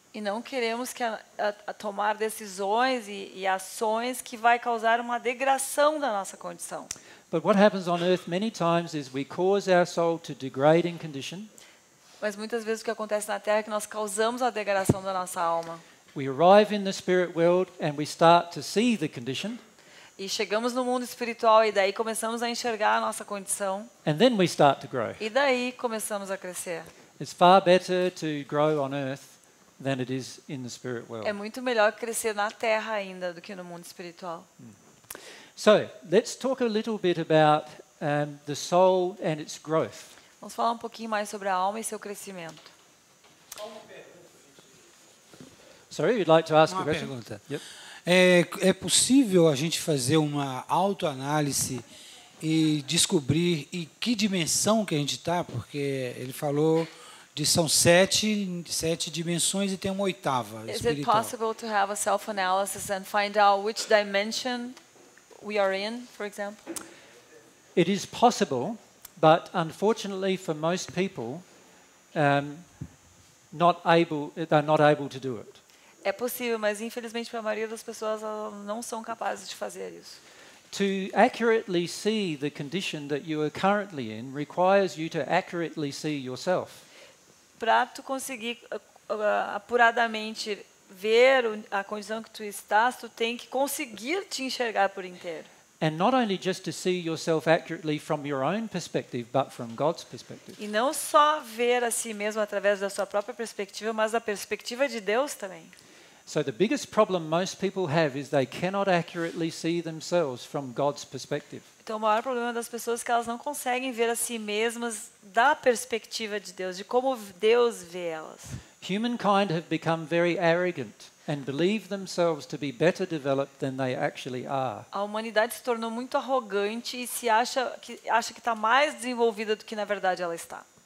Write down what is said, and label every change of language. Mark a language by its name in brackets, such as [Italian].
[Portuguese] E não queremos que tomar decisões e ações que vai causar uma degradação da nossa condição. [English] But what happens on earth many times is we cause our soul to degrade in condition. [Portuguese] Mas muitas vezes o que acontece na Terra é que nós causamos a degradação da nossa alma. [English] We arrive in the spirit world and we start to see the condition. [Portuguese] E chegamos no mundo espiritual e daí começamos a enxergar a nossa condição. [English] And then we start to grow. [Portuguese] E daí começamos a crescer. [English] It's far better to grow on earth than it is in the spirit world. [Portuguese] É muito melhor crescer na terra ainda do que no mundo espiritual. [English] So, let's talk a little bit about the soul and its growth. [Portuguese] Vamos falar um pouquinho mais sobre a alma e seu crescimento. [English] Sorry, you'd like to ask [Portuguese] uma [English] a question? [Portuguese] Pergunta. [English] Yep. [Portuguese] É possível a gente fazer uma autoanálise e descobrir em que dimensão que a gente está? Porque ele falou de são sete dimensões e tem uma oitava espiritual. [English] Is it possible to have a self-analysis and find out which dimension we are in, for example? It is possible, but unfortunately for most people, they're not able to do it. [Portuguese] É possível, mas infelizmente para a maioria das pessoas não são capazes de fazer isso. [English] To accurately see the condition that you are currently in requires you to accurately see yourself. [Portuguese] Para tu conseguir apuradamente ver a condição que tu estás, tu tem que conseguir te enxergar por inteiro. [English] And not only just to see yourself accurately from your own perspective, but from God's perspective. [Portuguese] E não só ver a si mesmo através da sua própria perspectiva, mas da perspectiva de Deus também. [English] So the biggest problem most people have is they cannot accurately see themselves from God's perspective. [Portuguese] Então o maior problema das pessoas é que elas não conseguem ver a si mesmas da perspectiva de Deus, de como Deus vê elas. [English] Humankind have become very arrogant and believe themselves to be better developed than they actually are. [Portuguese] A humanidade se tornou muito arrogante e se acha que está mais desenvolvida do que na verdade ela está.